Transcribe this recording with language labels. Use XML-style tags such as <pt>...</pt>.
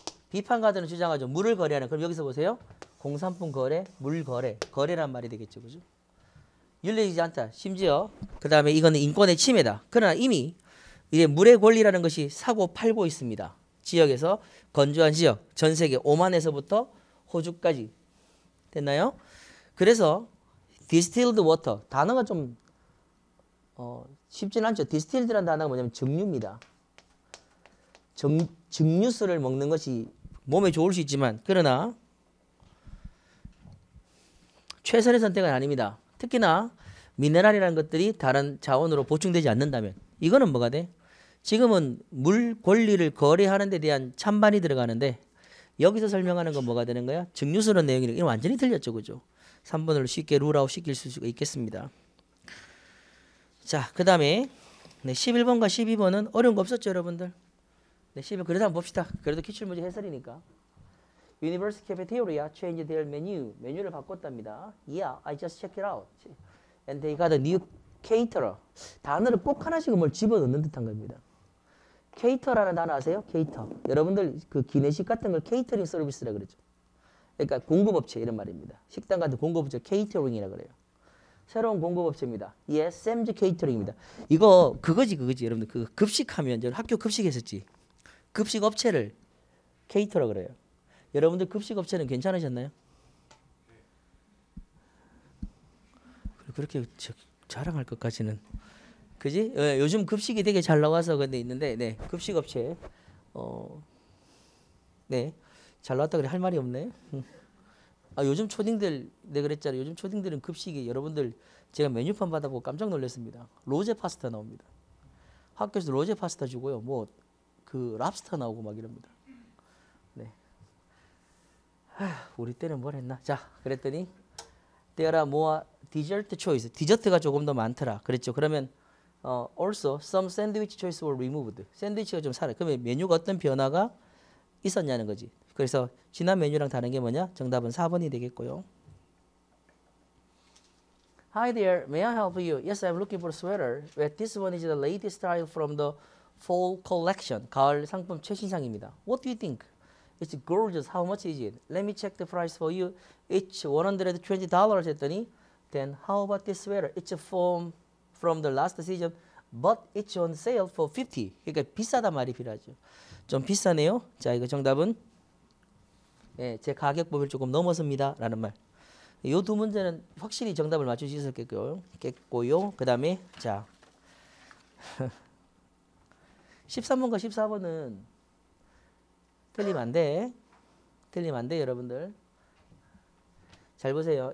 <ko>비판가들은 주장하죠. 물을 거래하는. 그럼 여기서 보세요. 공산품 거래, 물 거래. 거래란 말이 되겠죠. 그죠? 윤리적이지 않다. 심지어, 그 다음에 이거는 인권의 침해다. 그러나 이미 이게 물의 권리라는 것이 사고 팔고 있습니다. 지역에서, 건조한 지역, 전 세계 오만에서부터 호주까지. 됐나요? 그래서,</ko> <en>distilled water.</en> <ko>단어가 좀 쉽진 않죠. 디스틸드라는 단어가 뭐냐면 증류입니다. 증류수를 먹는 것이 몸에 좋을 수 있지만 그러나 최선의 선택은 아닙니다. 특히나 미네랄이라는 것들이 다른 자원으로 보충되지 않는다면 이거는 뭐가 돼? 지금은 물 권리를 거래하는 데 대한 찬반이 들어가는데 여기서 설명하는 건 뭐가 되는 거야? 증류스러운 내용이 이게 완전히 틀렸죠. 그죠? 3번을 쉽게 룰아웃 시킬 수가 있겠습니다. 자, 그 다음에 네, 11번과 12번은 어려운 거 없었죠, 여러분들? 네, 12번 그래도 한번 봅시다. 그래도 기출문제 해설이니까.</ko> <en>Universe Cafeteria changed their menu.</en> <ko>메뉴를 바꿨답니다.</ko> <en>Yeah, I just checked it out. And they got a new caterer.</en> <ko>단어를 꼭 하나씩 뭘 집어넣는 듯한 겁니다. 케이터라는 단어 아세요? 케이터. 여러분들 그 기내식 같은 걸 케이터링 서비스라고 그러죠. 그러니까 공급업체 이런 말입니다. 식당 같은 공급업체 케이터링이라고 그래요. 새로운 공급업체입니다. 예, Sam's Catering입니다. 이거 그거지 여러분들. 그 급식하면 저 학교 급식했었지. 급식업체를 케이터라고 그래요. 여러분들 급식업체는 괜찮으셨나요? 그렇게 자랑할 것까지는. 그지? 요즘 급식이 되게 잘 나와서 근데 있는데, 네, 급식업체, 네, 잘 나왔다 그래 할 말이 없네. 아, 요즘 초딩들, 네, 그랬잖아. 요즘 초딩들은 급식이 여러분들 제가 메뉴판 받아보고 깜짝 놀랐습니다. 로제 파스타 나옵니다. 학교에서 로제 파스타 주고요. 뭐, 그, 랍스터 나오고 막 이럽니다. 네. 아, 우리 때는 뭘 했나? 자, 그랬더니, 때라 모아 디저트 초이스. 디저트가 조금 더 많더라. 그랬죠. 그러면,</ko> <en>also, some sandwich choices were removed.</en> <ko>샌드위치가 좀 사라. 그러면 메뉴가 어떤 변화가 있었냐는 거지. 그래서 지난 메뉴랑 다른 게 뭐냐? 정답은 4번이 되겠고요.</ko> <en>Hi there, may I help you? Yes, I'm looking for a sweater. But this one is the latest style from the fall collection.</en> <ko>가을 상품 최신상입니다.</ko> <en>What do you think? It's gorgeous. How much is it? Let me check the price for you. It's $120</en> <ko>했더니</ko> <en>then how about this sweater? It's from the last season, but it's on sale for 50.</en> <ko>그러니까 비싸단 말이 필요하죠. 좀 비싸네요. 자, 이거 정답은 예, 제 가격법을 조금 넘어섭니다. 라는 말. 요 두 문제는 확실히 정답을 맞출 수 있었겠고요. 그 다음에 자 13번과 14번은 틀림 안 돼 여러분들. 잘 보세요.</ko>